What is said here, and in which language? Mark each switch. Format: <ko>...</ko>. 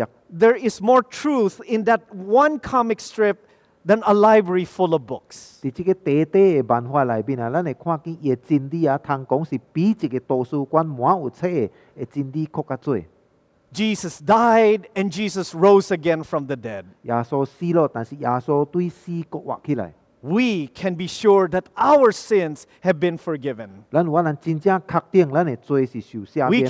<en>There is more truth in that one comic strip than a library full of books.</en> <nan>在这个短短的漫画里面，咱会看见伊的真理啊，通讲是比这个图书馆满有册的真理搁较多。</nan> <en>Jesus died and Jesus rose again from the dead.</en> <nan>耶稣死了，但是耶稣对死搁活起来。</nan> <en>We can be sure that our sins have been forgiven.</en> <nan>咱有法能真正确定咱的罪是受赦免了。</nan>